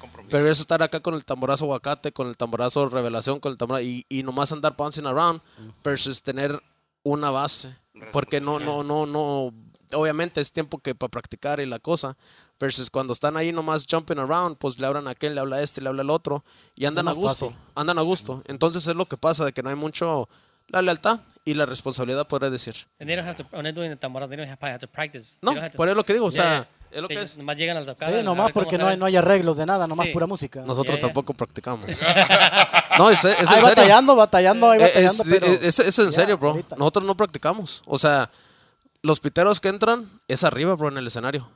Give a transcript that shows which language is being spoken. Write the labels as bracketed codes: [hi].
[es] Pero eso estar acá con el tamborazo aguacate, con el tamborazo revelación, con el tamborazo y nomás andar [en] bouncing around [es] versus tener una base. Porque no. Obviamente es tiempo que para practicar y la cosa. Versus cuando están ahí nomás [en] jumping around, [es] pues le hablan a aquel, le habla a este, le habla al otro. Y andan a gusto. Entonces es lo que pasa, de que no hay mucho la lealtad y la responsabilidad, podría decir. [en] And they don't have to, when they're doing the tambor, they don't have to practice. [es] No, por eso lo que digo, es lo que es. Nomás llegan al tocado. Sí, nomás porque no hay arreglos de nada, nomás pura música. Nosotros tampoco practicamos. No, es en serio. Batallando, pero... Es en serio, bro. Ahorita. Nosotros no practicamos. O sea... Los piteros que entran es arriba, bro, en el escenario.